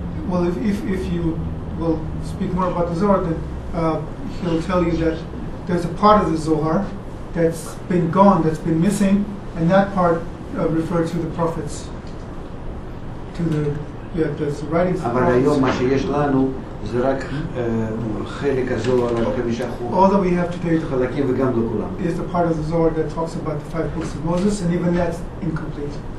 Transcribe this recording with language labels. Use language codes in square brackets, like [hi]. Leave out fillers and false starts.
[en] Well, if you will speak more about the Zohar, then he'll tell you that there's a part of the Zohar that's been gone, that's been missing, and that part refers to the prophets, to the writings. [he] אבל היום מה שיש לנו זה רק חלק הזוהר על חמישה חוקים. [en] All that we have today is [he] חלקים וגם לא כולם. [en] Is the part of the Zohar that talks about the five books of Moses, and even that's incomplete.